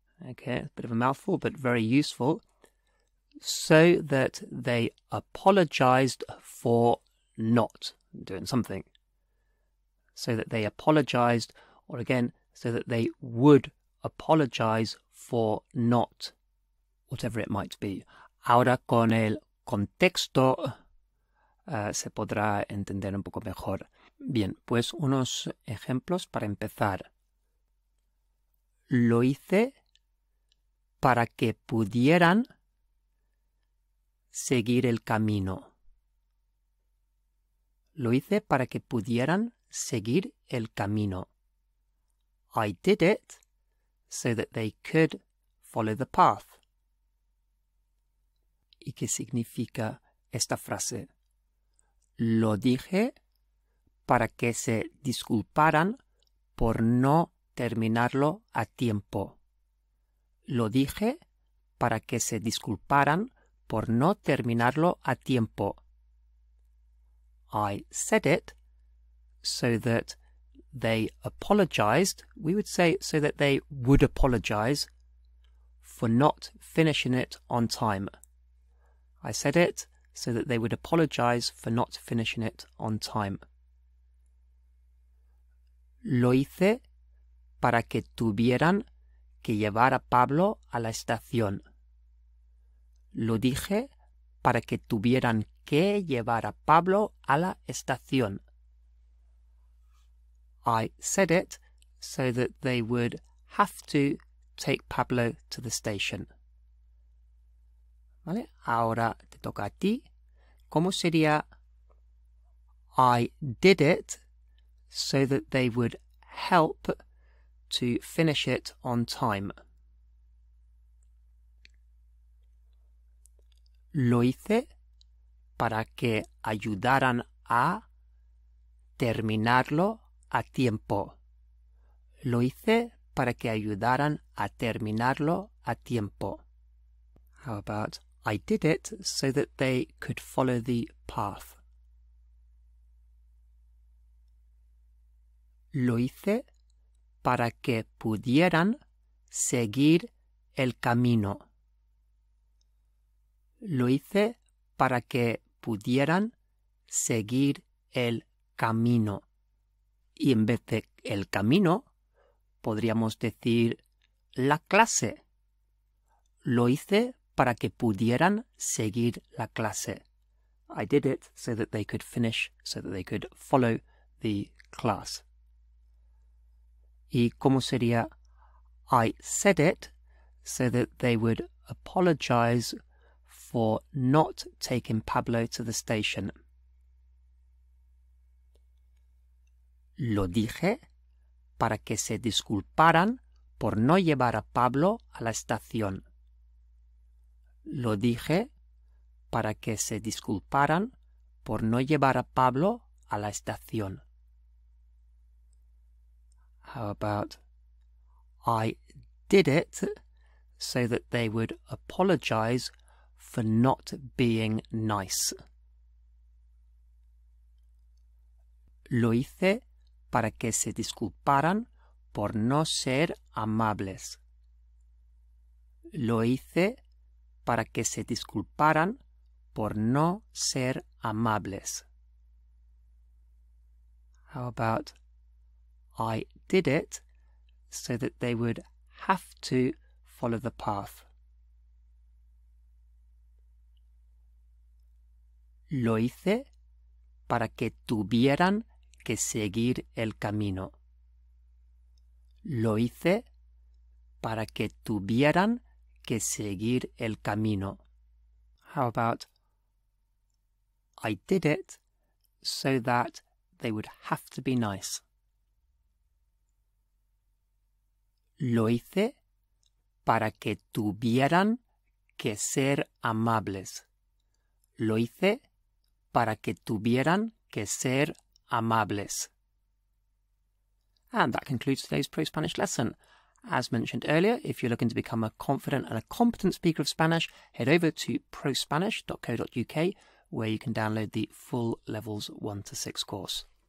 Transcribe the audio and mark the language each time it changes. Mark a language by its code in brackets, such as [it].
[en] Okay, a bit of a mouthful, but very useful. So that they apologized for not doing something. So that they apologized, or again, so that they would apologize for not, whatever it might be. [es] Ahora con el contexto se podrá entender un poco mejor. Bien, pues unos ejemplos para empezar. Lo hice para que pudieran seguir el camino. Lo hice para que pudieran seguir el camino. [en] I did it so that they could follow the path. [es] ¿Y qué significa esta frase? Lo dije para que se disculparan por no terminarlo a tiempo. Lo dije para que se disculparan por no terminarlo a tiempo. [en] I said it so that they apologized. We would say so that they would apologize for not finishing it on time. I said it so that they would apologize for not finishing it on time. [es] Lo hice para que tuvieran que llevar a Pablo a la estación. Lo dije para que tuvieran que llevar a Pablo a la estación. [en] I said it so that they would have to take Pablo to the station. ¿Vale? [es] Ahora te toca a ti. ¿Cómo sería? [en] I did it so that they would help to finish it on time. [es] Lo hice para que ayudaran a terminarlo a tiempo. Lo hice para que ayudaran a terminarlo a tiempo. [en] How about I did it so that they could follow the path? [es] Lo hice para que pudieran seguir el camino. Lo hice para que pudieran seguir el camino. Y en vez de el camino, podríamos decir la clase. Lo hice para que pudieran seguir la clase. [en] I did it so that they could finish, so that they could follow the class. [es] ¿Y cómo sería? [en] I said it so that they would apologize for not taking Pablo to the station. [es] Lo dije para que se disculparan por no llevar a Pablo a la estación. Lo dije para que se disculparan por no llevar a Pablo a la estación. [en] How about I did it so that they would apologize for not being nice? [es] Lo hice para que se disculparan por no ser amables. Lo hice para que se disculparan por no ser amables. [en] How about I did it so that they would have to follow the path? [es] Lo hice para que tuvieran que seguir el camino. Lo hice para que tuvieran que seguir el camino. [en] How about I did it so that they would have to be nice? [es] Lo hice para que tuvieran que ser amables. Lo hice para que tuvieran que ser amables. [en] And that concludes today's ProSpanish lesson. As mentioned earlier, if you're looking to become a confident and a competent speaker of Spanish, head over to prospanish.co.uk where you can download the full Levels 1 to 6 course.